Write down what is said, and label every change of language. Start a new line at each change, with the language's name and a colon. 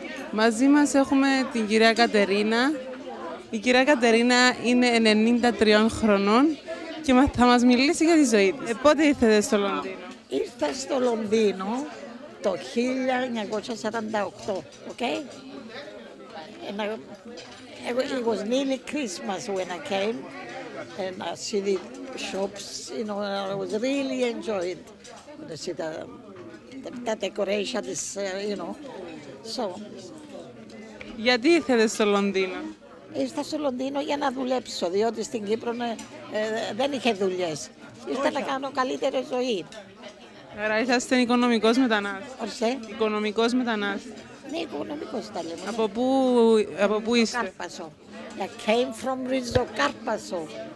Greek: Μαζί μας έχουμε την κυρία Κατερίνα. Η κυρία Κατερίνα είναι 93 χρονών και θα μας μιλήσει για τη ζωή της. Πότε ήρθατε στο Λονδίνο? Ήρθα στο Λονδίνο το 1948, okay?
English: And it was nearly Christmas when I came and I see the shops, you know, I was really enjoyed to see the decoration, this, you know, so.
Greek: Γιατί ήρθατε στο Λονδίνο? Ήρθα στο Λονδίνο για να δουλέψω, διότι στην Κύπρο δεν είχε δουλειές. Ήρθα να κάνω καλύτερη ζωή. Άρα είσαστε οικονομικός μετανάστης. Ορσέ. Οικονομικός μετανάστης. Ναι, οικονομικός τα λέμε. Από πού, ναι. Από πού είστε? Ριζοκάρπασο.
English: I came from Ριζοκάρπασο.